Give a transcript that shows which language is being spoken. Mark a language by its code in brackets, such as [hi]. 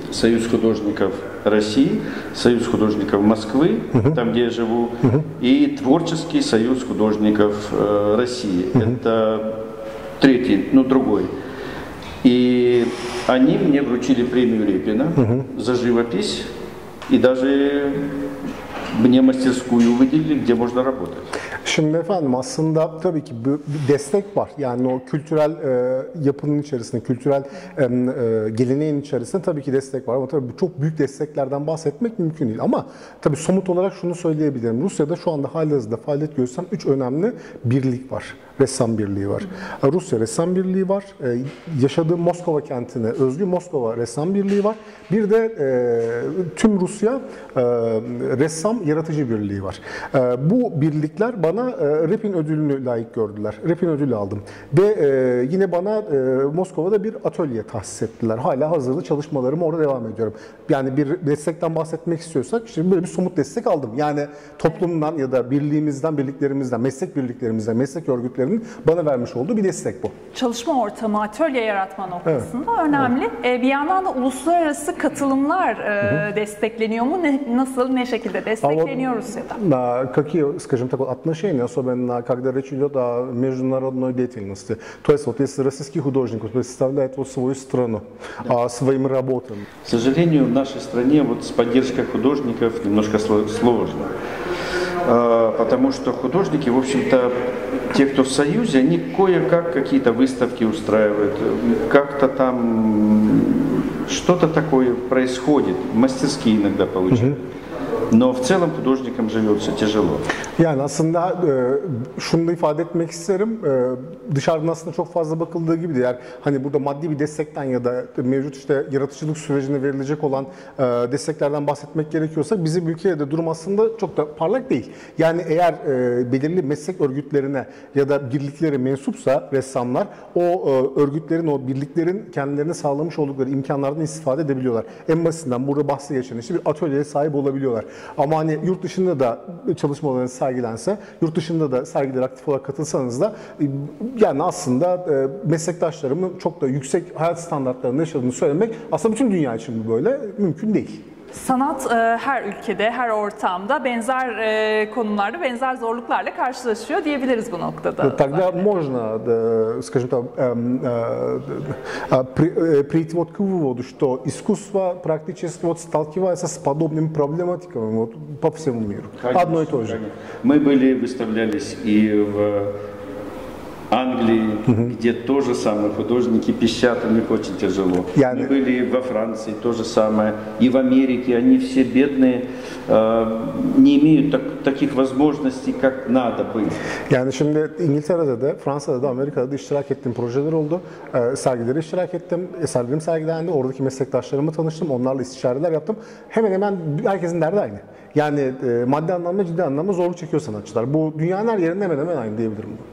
[ru] Союз художников России, Союз художников Москвы, там, где я живу, и Творческий союз художников России. Это третий, ну, другой. И они мне вручили премию Репина за живопись и даже мне мастерскую выделили, где можно работать. [tr] Şimdi efendim aslında tabii ki bir destek var. Yani o kültürel yapının içerisinde, kültürel geleneğin içerisinde tabii ki destek var. Ama tabii bu çok büyük desteklerden bahsetmek mümkün değil. Ama tabii somut olarak şunu söyleyebilirim. Rusya'da şu anda halihazırda faaliyet gösteren 3 önemli birlik var. Ressam Birliği var. Rusya Ressam Birliği var. Yaşadığı Moskova kentine özgü Moskova Ressam Birliği var. Bir de tüm Rusya Ressam Yaratıcı Birliği var. Bu birlikler bana Repin ödülünü layık gördüler. Repin ödülü aldım. Ve yine bana Moskova'da bir atölye tahsis ettiler. Hala hazırlı çalışmalarımı orada devam ediyorum. Yani bir destekten bahsetmek istiyorsak şimdi böyle bir somut destek aldım. Yani toplumdan ya da birliğimizden, birliklerimizden, meslek örgütlerimizden bana vermiş olduğu bir destek bu. Çalışma ortamı, atölye yaratma noktasında evet. Önemli. Evet. Bir yandan da uluslararası katılımlar destekleniyor mu? Nasıl, ne şekilde destekleniyor Rusya'da? [ru] Какие, скажем так, отношения, особенно когда речь идет о международной деятельности. То есть, вот если российский художник представляет вот свою страну, да. Своим работам. К сожалению, в нашей стране вот с поддержкой художников немножко сложно. Потому что художники, в общем-то, те, кто в Союзе, они кое-как какие-то выставки устраивают, как-то там что-то такое происходит, мастерские иногда получают. Но в целом художникам живется тяжело. [tr] Yani aslında şunu da ifade etmek isterim. Dışarıdan aslında çok fazla bakıldığı gibi de, yani hani burada maddi bir destekten ya da mevcut işte yaratıcılık sürecine verilecek olan desteklerden bahsetmek gerekiyorsa bizim ülkede durum aslında çok da parlak değil. Yani eğer belirli meslek örgütlerine ya da birliklere mensupsa ressamlar o örgütlerin, o birliklerin kendilerine sağlamış oldukları imkanlardan istifade edebiliyorlar. En basitinden burada bahsi geçen işte bir atölyeye sahip olabiliyorlar. Ama hani yurt dışında da çalışmalarını sergilense, yurt dışında da sergilere aktif olarak katılsanız da yani aslında meslektaşlarımın çok da yüksek hayat standartlarında yaşadığını söylemek aslında bütün dünya için böyle mümkün değil. Sanat her ülkede, her ortamda benzer konularda, benzer zorluklarla karşılaşıyor diyebiliriz bu noktada. [ru] Тогда можно, скажем так, прийти вот к выводу, что искусство практически вот сталкивается с подобными проблематиками вот по всему миру. Одно и то же. Мы были выставлялись и в Англии, где то же самое, художники пищат, у них очень тяжело. Мы были во Франции, то же самое, и в Америке, они все бедные, не имеют таких возможностей, как надо бы. [tr] Yani şimdi İngiltere'de de, Fransa'da da, Amerika'da da iştirak ettiğim projeler oldu. Sergileri iştirak ettim, eserlerim sergilendi, oradaki meslektaşlarımı tanıştım, onlarla istişareler yaptım. Hemen hemen herkesin derdi aynı. Yani maddi anlamda, ciddi anlamda zorluk çekiyor sanatçılar. Bu dünyanın her yerinde hemen hemen aynı diyebilirim.